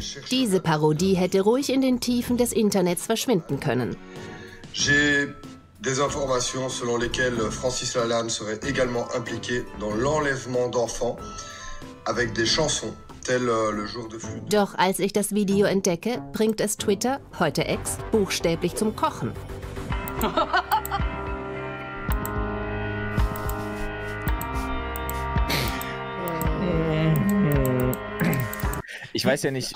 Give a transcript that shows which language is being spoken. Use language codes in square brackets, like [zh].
[de] Diese Parodie hätte ruhig in den Tiefen des Internets verschwinden können. [fr] J'ai des informations selon lesquelles Francis Lalanne serait également impliqué dans l'enlèvement d'enfants avec des chansons telles le jour de fuite. [de] Doch als ich das Video entdecke, bringt es Twitter, heute Ex, buchstäblich zum Kochen. Ich weiß ja nicht,